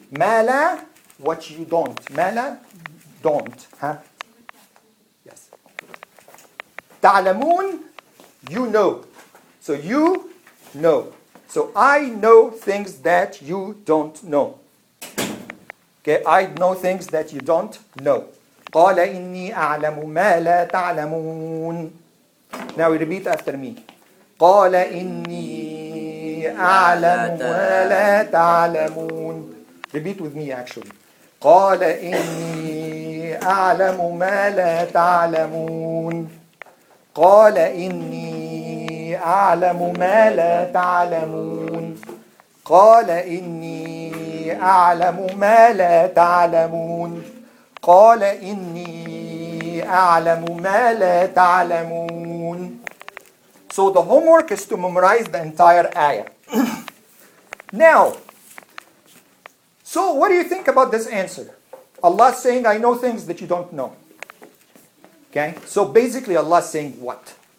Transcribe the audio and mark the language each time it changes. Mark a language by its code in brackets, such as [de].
[ar] ما لا [en] what you don't. ما لا don't. Huh? Yes. [ar] تعلمون, [en] you know. So you know. So I know things that you don't know. Okay, I know things that you don't know. [ar] قال إني أعلم ما لا تعلمون. [en] Now repeat after me. [ar] قال إني أعلم ما لا تعلمون. [en] Repeat with me actually. [ar] قال إني أعلم ما لا تعلمون. قال إني أعلم ما لا تعلمون. قال إني أعلم ما لا تعلمون. قال إني أعلم ما لا تعلمون. [en] So the homework is to memorize the entire ayah. Now, so what do you think about this answer? Allah is saying, I know things that you don't know. Okay? So basically Allah is saying what?